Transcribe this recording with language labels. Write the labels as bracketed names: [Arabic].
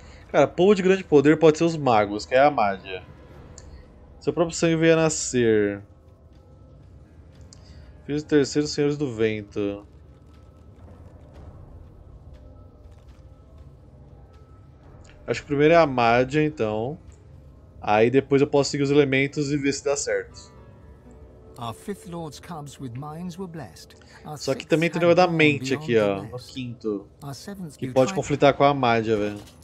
[Portuguese] Cara, povo de grande poder pode ser os magos, que é a magia. Seu próprio sangue veio a nascer. Fiz o terceiro Senhores do Vento. Acho que o primeiro é a Mádia, então. Aí depois eu posso seguir os elementos e ver se dá certo. [English] Our fifth lord's cubs with minds were blessed. [Portuguese] Só que também tem o negócio da mente aqui, ó. O quinto. Que pode conflitar com a mágia, velho.